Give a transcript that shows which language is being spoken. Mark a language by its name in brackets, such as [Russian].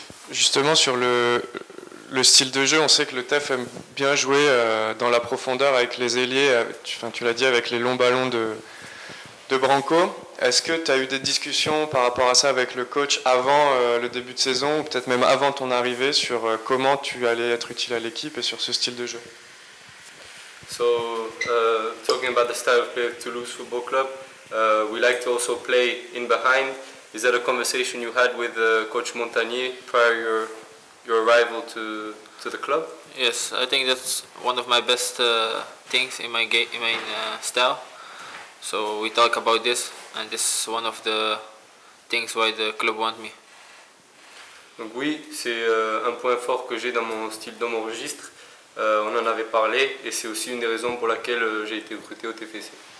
[French] Justement sur le style de jeu, on sait que le TEF aime bien jouer dans la profondeur avec les ailiers, tu l'as dit, avec les longs ballons de Branko. Est-ce que tu as eu des discussions par rapport à ça avec le coach avant le début de saison ou peut-être même avant ton arrivée sur comment tu allais être utile à l'équipe et sur ce style de jeu? [English] So, talking about the style of play of Toulouse Football Club, we like to also play in behind. Is that a conversation you had with coach Montagnier prior your arrival to the club? Yes, I think that's one of my best things in my game, in my style. So we talk about this, and this is one of the things why the club want me. [French] Donc oui, c'est un point fort que j'ai dans mon style, dans mon registre. On en avait parlé, et c'est aussi une des raisons pour laquelle j'ai été recruté au TFC.